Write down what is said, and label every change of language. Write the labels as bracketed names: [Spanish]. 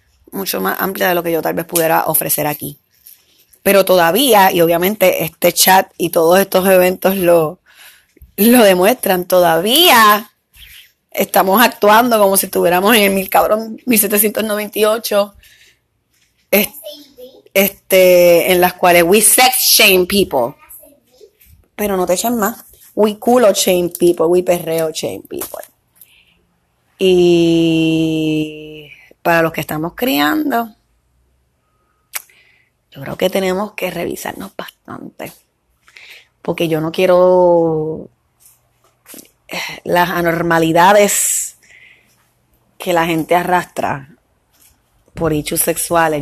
[Spanish] Mucho más amplia de lo que yo tal vez pudiera ofrecer aquí. Pero todavía, y obviamente este chat y todos estos eventos lo demuestran, todavía estamos actuando como si estuviéramos en el mil cabrón 1798, en las cuales [English] we sex shame people. [Spanish] Pero no te echan más. [English] We culo shame people, we perreo shame people. [Spanish] Y para los que estamos criando, yo creo que tenemos que revisarnos bastante. Porque yo no quiero las anormalidades que la gente arrastra por hechos sexuales.